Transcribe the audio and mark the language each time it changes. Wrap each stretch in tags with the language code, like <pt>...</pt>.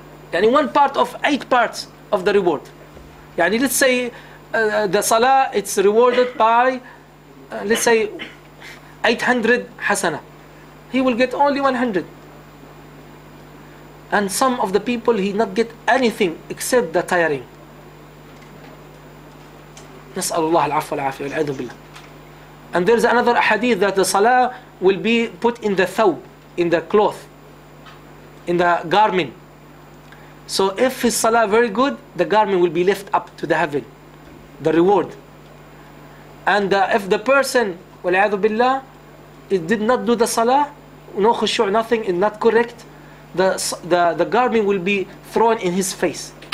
<en>Yani one part of eight parts of the reward. Yani let's say the salah, it's rewarded by, let's say, 800 hasana. He will get only 100. And some of the people, he not get anything except the tiring.</en> <ar>نسأل الله العفو والعافية والعياذ بالله.</ar> <en>And there's another hadith that the salah will be put in the thawb, in the cloth, in the garment. So if his salah very good, the garment will be lift up to the heaven, the reward. And if the person,</en> <ar>والعياذ بالله,</ar> <en>it did not do the salah, no khushu', nothing, is not correct, the garment will be thrown in his face.</en>